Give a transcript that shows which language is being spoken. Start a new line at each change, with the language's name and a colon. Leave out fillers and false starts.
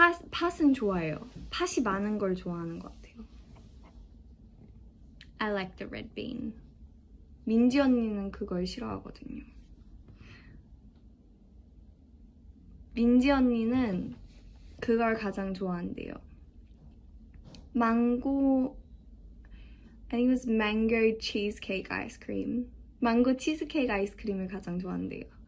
Korean: 팥은 좋아요. 팥이 많은 걸 좋아하는 것 같아요.
English: I like the red bean.
Korean: 민지 언니는 그걸 싫어하거든요. 민지 언니는 그걸 가장 좋아한대요. 망고
English: I think it was mango cheesecake ice cream.
Korean: 망고 치즈케이크 아이스크림을 가장 좋아한대요.